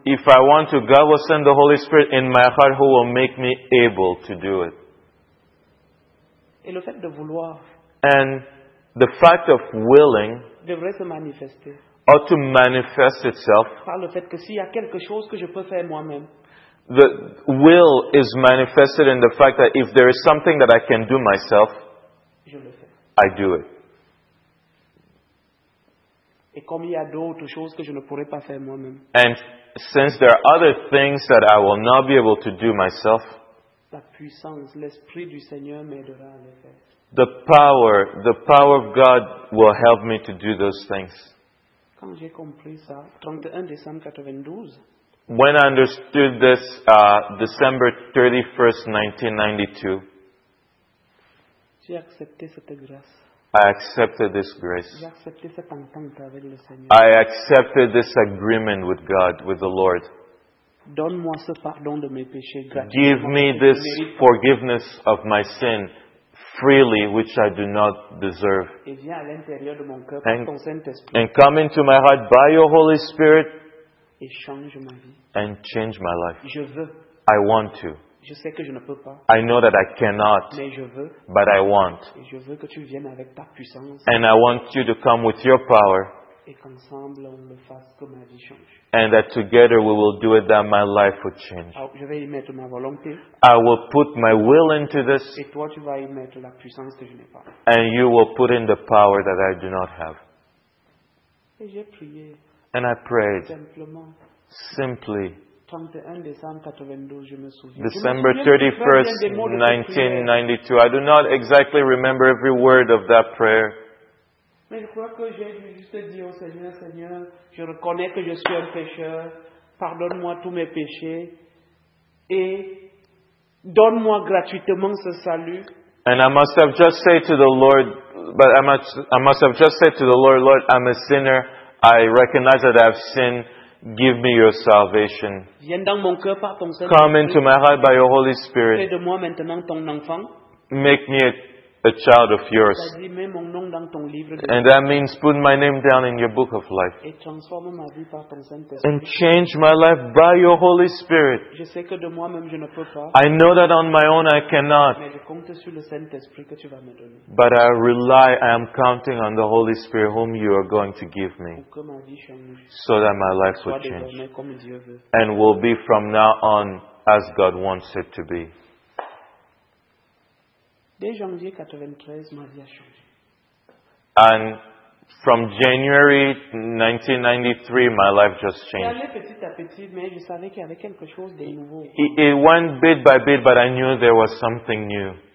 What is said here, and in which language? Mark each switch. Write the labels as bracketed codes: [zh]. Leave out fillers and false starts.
[en] If I want to, God will send the Holy Spirit in my heart who will make me able to do it. [fr] Et le fait de vouloir, [en] and the fact of willing, [fr] devrait se manifester. [en] Ought to manifest itself. [fr] Par le fait que s'il y a quelque chose que je peux faire moi-même. [en] The will is manifested in the fact that if there is something that I can do myself, [fr] je le fais. [en] I do it. [fr] Et comme il y a d'autres choses que je ne pourrais pas faire moi-même. [en] And since there are other things that I will not be able to do myself, [fr] la puissance, l'Esprit du Seigneur m'aidera à le faire. [en] The power of God will help me to do those things. [fr] Quand j'ai compris ça, 31 décembre 92, [en] when I understood this, December 31st, 1992, [fr] j'ai accepté cette grâce. [en] I accepted this grace. [fr] J'ai accepté cette entente avec le Seigneur. [en] I accepted this agreement with God, with the Lord. [fr] Donne-moi ce pardon de mes péchés gratuitement. [en] Give me this forgiveness of my sin freely, which I do not deserve. [fr] Et viens à l'intérieur de mon cœur par ton Saint-Esprit. [en] And come into my heart by your Holy Spirit. [fr] Et change ma vie. [en] And change my life. [fr] Je veux. [en] I want to. [fr] Je sais que je ne peux pas. [en] I know that I cannot. [fr] Mais je veux. [en] But I want. [fr] Et je veux que tu viennes avec ta puissance. [en] And I want you to come with your power. [fr] et qu'ensemble on le fasse que ma vie change. [en] And that together we will do it that my life would change. [fr] Alors, je vais y mettre ma volonté. [en] I will put my will into this. [fr] Et toi, tu vas y mettre la puissance que je n'ai pas. [en] And you will put in the power that I do not have. [fr] Et j'ai prié. [en] And I prayed. [fr] Simplement. [en] Simply. [fr] 31 décembre 92, je me souviens. [en] December 31st, 1992. I do not exactly remember every word of that prayer. [fr] Mais je crois que j'ai juste dit au Seigneur, Seigneur, je reconnais que je suis un pécheur, pardonne-moi tous mes péchés et donne-moi gratuitement ce salut. [en] And I must have just said to the Lord, Lord, I'm a sinner. I recognize that I've sinned. Give me your salvation. [fr] Viens dans mon cœur par ton Saint-Esprit. [en] Come into my heart by your Holy Spirit. [fr] Fais de moi maintenant ton enfant. [en] Make me a child of yours. [fr] C'est-à-dire, mets mon nom dans ton livre de vie. [en] And that means put my name down in your book of life. [fr] Et transforme ma vie par ton Saint-Esprit. [en] And change my life by your Holy Spirit. [fr] Je sais que de moi-même je ne peux pas. [en] I know that on my own I cannot. [fr] Mais je compte sur le Saint-Esprit que tu vas me donner. [en] But I rely, I am counting on the Holy Spirit whom you are going to give me. [fr] Pour que ma vie change. [en] So that my life will change. [fr] Soit désormais comme Dieu veut. [en] And will be from now on as God wants it to be. [fr] Dès janvier 93, ma vie a changé. [en] And from January 1993, my life just changed. [fr] J'allais petit à petit, mais je savais qu'il y avait quelque chose de nouveau. [en] It went bit by bit, but I knew there was something new.